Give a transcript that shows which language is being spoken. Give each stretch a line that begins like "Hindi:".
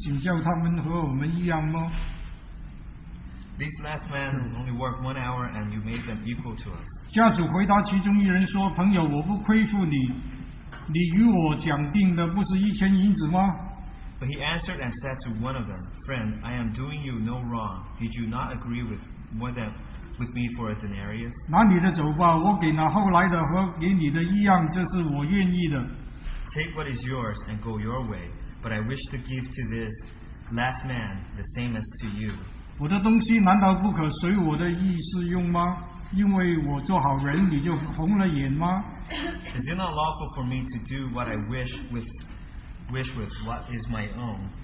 Chinese: 你竟叫他们和我们一样吗？
English: These last men only worked 1 hour, and you made them equal to us.
Chinese: 家主回答其中一人说：“朋友，我不亏负你。” 你与我讲定的不是一千银子吗？
English: But he answered and said to one of them, friend, I am doing you no wrong. Did you not agree with me for a denarius?
Chinese: 拿你的走吧，我给那后来的和给你的一样，这是我愿意的。
English: Take what is yours and go your way, but I wish to give to this last man the same as to you.
Chinese: 我的东西难道不可随我的意思用吗？因为我做好人，你就红了眼吗？
English: Is it not lawful for me to do what I wish with what is my own?